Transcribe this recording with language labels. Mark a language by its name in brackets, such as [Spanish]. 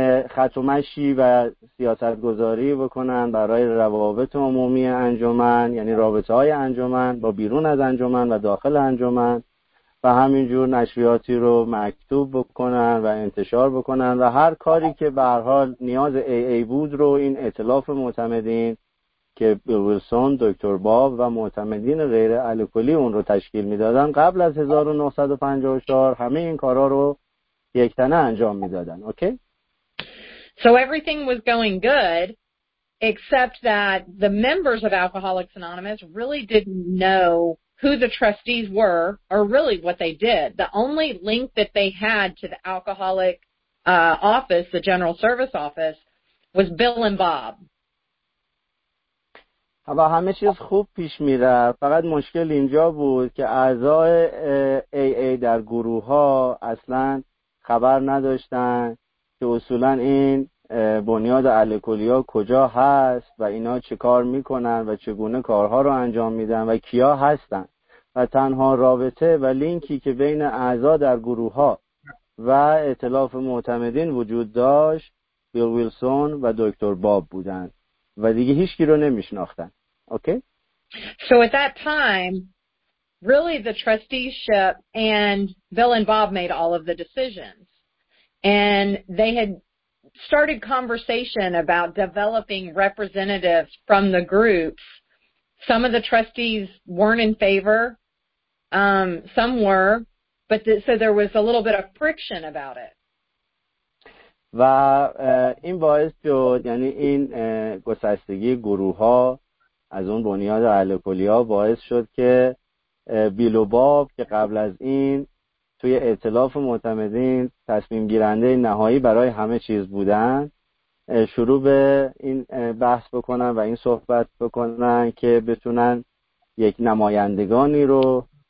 [Persian] خطومشی و سیاست گذاری بکنن برای روابط عمومی انجمن یعنی رابطه های انجمن با بیرون از انجمن و داخل انجمن و همینجور نشریاتی رو مکتوب بکنن و انتشار بکنن و هر کاری که به هر حال نیاز AA بود رو این ائتلاف معتمدین که ویلسون، دکتر باب و معتمدین غیر الکلی اون رو تشکیل میدادن، قبل از 1954 همه این کارا رو یک تنه انجام میدادن. [English] Okay? So everything was going good except that the members of Alcoholics Anonymous really didn't know who the trustees were or really what they did. The only link that they had to the alcoholic office, the general service office, was Bill and Bob. [Persian] و همه چیز خوب پیش می رفت، فقط مشکل اینجا بود که اعضای AA در گروه ها اصلا خبر نداشتن که اصولا این بنیاد الکلی ها کجا هست و اینا چه کار می کنن و چگونه کارها رو انجام می دن و کیا هستن، و تنها رابطه و لینکی که بین اعضا در گروه ها و ائتلاف معتمدین وجود داشت بیل ویلسون و دکتر باب بودن و دیگه هیچ کی رو نمیشناختن. [English] Okay? So at that time really the trusteeship and Bill and Bob made all of the decisions and they had started conversation about developing representatives from the groups. Some of the trustees weren't in favor, some were, but so there was a little bit of friction about it. [Persian] و این باعث شد، یعنی این گسستگی گروه ها از اون بنیاد الکلی ها باعث شد که بیل و باب که قبل از این توی ائتلاف معتمدین تصمیم گیرنده نهایی برای همه چیز بودن، شروع به این بحث بکنن و این صحبت بکنن که بتونن یک نمایندگانی رو،